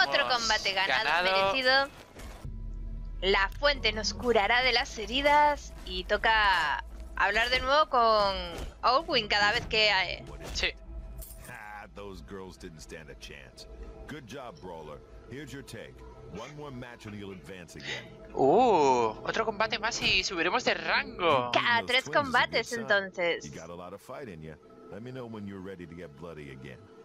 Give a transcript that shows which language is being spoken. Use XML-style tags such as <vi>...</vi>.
<es>otro combate ganado, merecido. La fuente nos curará de las heridas y toca hablar de nuevo con Owen cada vez que hay. Sí.</es> <en>Those girls didn't stand a chance. Good job, Brawler. Here's your take. One more match and you'll advance again.</en> <es>Otro combate más y subiremos de rango. Cada tres combates, entonces.</es> <en>You got a lot of fight in you. Let me know when you're ready to get bloody again.</en>